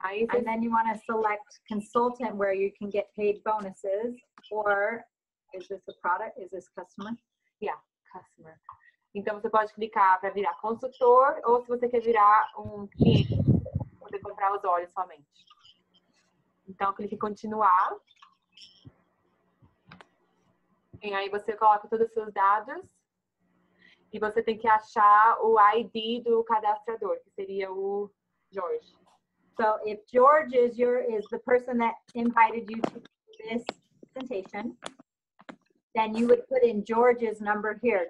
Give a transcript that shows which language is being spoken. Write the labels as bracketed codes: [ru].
[en] And then you want to select consultant where you can get paid bonuses, or is this a product? Is this customer? Yeah, customer. [pt] Então, você pode clicar para virar consultor ou se você quer virar um cliente, poder comprar os olhos somente. Então, clique em continuar. E aí, você coloca todos os seus dados e você tem que achar o ID do cadastrador, que seria o Jorge. [en] So, if Jorge is the person that invited you to this presentation, then you would put in George's number here.